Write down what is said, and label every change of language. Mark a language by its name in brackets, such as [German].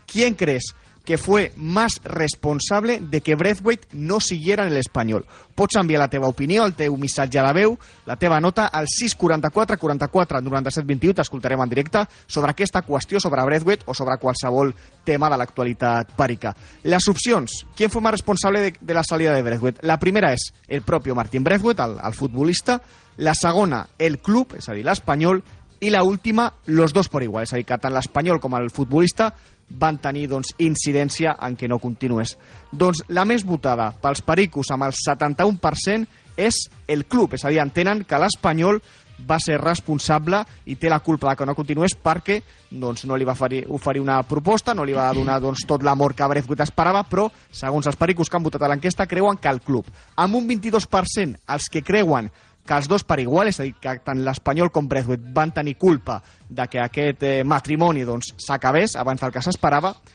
[Catalan] ¿Qui creus que [Spanish] fue más responsable de que Brethwaite no siguiera en el Espanyol? [Catalan] Pots enviar la teva opinió, el teu missatge a la veu, la teva nota al 644-44-9721, t'escoltarem en directe, sobre aquesta qüestió sobre Brethwaite o sobre qualsevol tema de l'actualitat pàrica. Les opcions, [Spanish] qui fue más responsable de la salida de Brethwaite? [Catalan] La primera és el propi Martin Brethwaite, el futbolista. La segona, el club, és a dir, l'Espanyol. I la última, [Spanish] los dos por igual, [Catalan] és a dir, que tant l'Espanyol com el futbolista van tenir doncs, incidència en que no continués. Doncs la més votada pels pericos amb el 71% és el club, és a dir, entenen que l'Espanyol va ser responsable i té la culpa que no continués perquè doncs, no li va oferir una proposta, no li va donar doncs, tot l'amor que Brethwaite esperava, però segons els pericos que han votat a l'enquesta creuen que el club, amb un 22% els que creuen que els dos per igual, és a dir, que tant l'Espanyol com Brethwaite van tenir culpa de que aquest matrimoni doncs, s'acabés abans del que s'esperava,